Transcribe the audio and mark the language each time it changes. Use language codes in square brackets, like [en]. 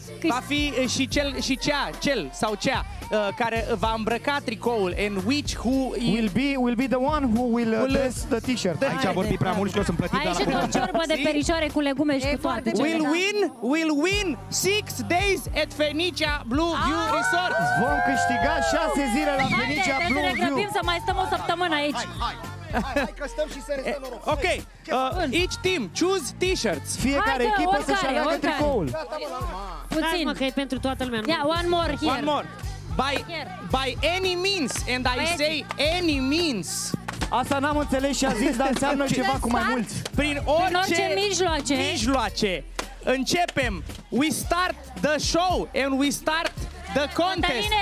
[ro] va fi și cel sau cea care va îmbrăca tricoul. [en] And which who will be the one who will dress the t-shirt. [ro] Aici a vorbit prea mult și eu sunt plătit. Aici e o ciorbă de perișoare cu legume și cu toate. [en] Will win 6 days at Fenicia Blue View Resort. [ro] Vom câștiga 6 zile la Fenicia Blue View. Hai, ne grăbim să mai stăm o săptămână aici. Hai că stăm și să restăm noroc. [en] Ok, each team, choose t-shirts. [ro] Fiecare echipă să-și aleagă tricoul. Puțin, mă, că e pentru toată lumea. [en] Yeah, one more here. One more. By any means, and I say any means. [ro] Asta n-am înțeles și a zis, dar înseamnă ceva cu mai mult. Prin orice mijloace. Începem. [en] We start the show and we start the contest.